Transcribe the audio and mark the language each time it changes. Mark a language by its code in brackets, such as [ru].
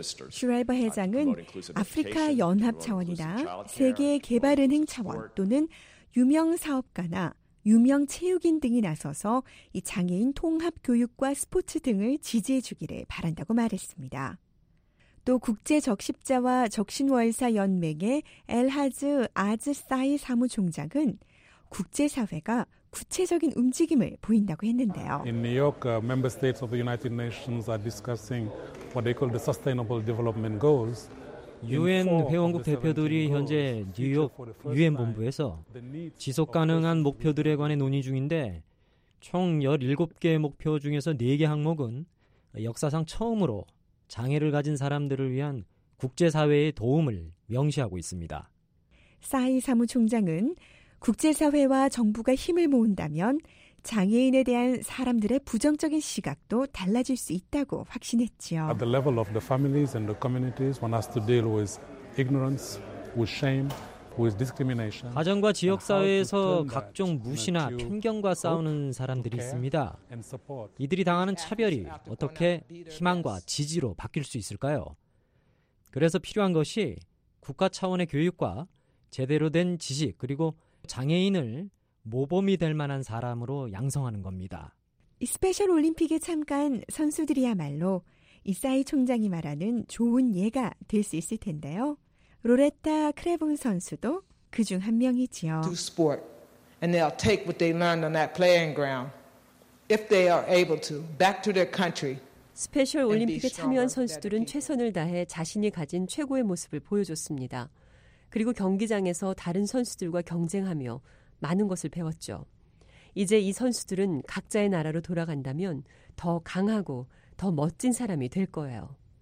[ko] 슈라이버 회장은 아프리카 연합 차원이나 세계 개발은행 차원 또는 유명 사업가나 유명 체육인 등이 나서서 이 장애인 통합 교육과 스포츠 등을 지지해 주기를 바란다고 말했습니다. 또 국제 적십자와 적신월사 연맹의 엘하즈 아즈사이 사무총장은 국제 사회가 구체적인 움직임을 보인다고 했는데요. [en] In New York, member states of the United Nations are discussing what they call the Sustainable Development Goals. [ko] 유엔 회원국 대표들이 현재 뉴욕 유엔 본부에서 지속 가능한 목표들에 관해 논의 중인데 총 17개 목표 중에서 4개 항목은 역사상 처음으로 장애를 가진 사람들을 위한 국제 사회의 도움을 명시하고 있습니다. 사이 사무총장은 국제사회와 정부가 힘을 모은다면 장애인에 대한 사람들의 부정적인 시각도 달라질 수 있다고 확신했지요. [en] At the level of the families and the communities, one has to deal with ignorance, with shame, with discrimination. [ko] 가정과 지역사회에서 각종 무시나 편견과 싸우는 사람들이 있습니다. 이들이 당하는 차별이 어떻게 희망과 지지로 바뀔 수 있을까요? 그래서 필요한 것이 국가 차원의 교육과 제대로 된 지식 그리고 장애인을 모범이 될 만한 사람으로 양성하는 겁니다. 스페셜 올림픽에 참가한 선수들이야말로 이사이 총장이 말하는 좋은 예가 될 수 있을 텐데요. 로레타 크레본 선수도 그 중 한 명이지요. [en] Do sport and they'll take what they learned on that playing ground if they are able to back to their country. [ko] 스페셜 올림픽에 참여한 선수들은 최선을 다해 자신이 가진 최고의 모습을 보여줬습니다. 그리고 경기장에서 다른 선수들과 경쟁하며 많은 것을 배웠죠. 이제 이 선수들은 각자의 나라로 돌아간다면 더 강하고 더 멋진 사람이 될 거예요.